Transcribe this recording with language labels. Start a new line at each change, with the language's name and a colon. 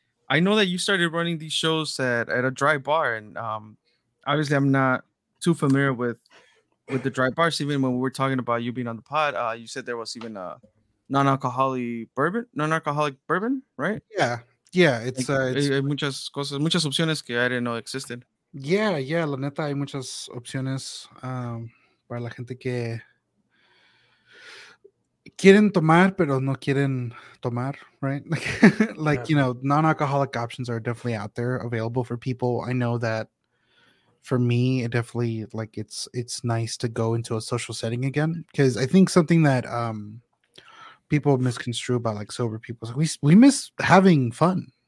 English: I know that you started running these shows at a dry bar, and obviously I'm not too familiar with the dry bars. Even when we were talking about you being on the pod, you said there was even a non-alcoholic bourbon, right? Yeah, it's
Spanish: hay muchas cosas, muchas opciones que
English: I didn't know existed.
Spanish: Yeah, la neta, hay muchas opciones para la gente que quieren tomar pero no quieren tomar, right?
English: Non-alcoholic options are definitely out there available for people. I know that for me, it definitely, like, it's nice to go into a social setting again, because I think something that people misconstrue about, like, sober people, like, we miss having fun.